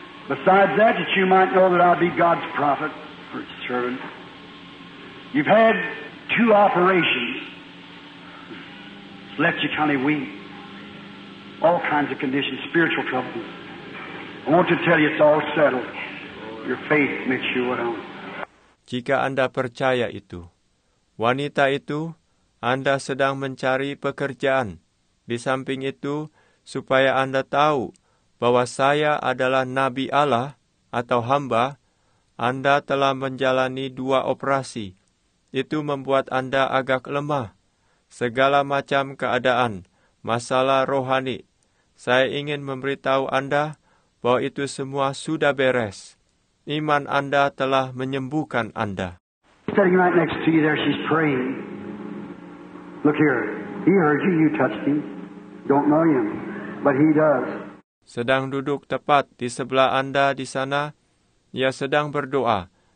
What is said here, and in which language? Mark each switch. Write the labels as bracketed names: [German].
[English] Besides that, you might know that I'll be God's prophet or servant. You've had two operations. Left you kind of weak. All kinds of conditions, spiritual troubles. I want to tell you it's all settled. Your faith makes you well. [Indonesian] Jika Anda percaya itu, wanita itu, Anda sedang mencari pekerjaan. Di samping itu, supaya Anda tahu bahwa saya adalah Nabi Allah atau hamba, Anda telah menjalani dua operasi itu membuat Anda agak lemah. Segala macam keadaan, masalah rohani. Saya ingin memberitahu Anda bahwa itu semua sudah beres. Iman Anda telah menyembuhkan Anda. [English] Sitting right next to you there, she's praying. Look here, he heard you, you touched him. Don't know him, but he does. [Indonesian] Sedang duduk tepat di sebelah Anda di sana, ia sedang berdoa.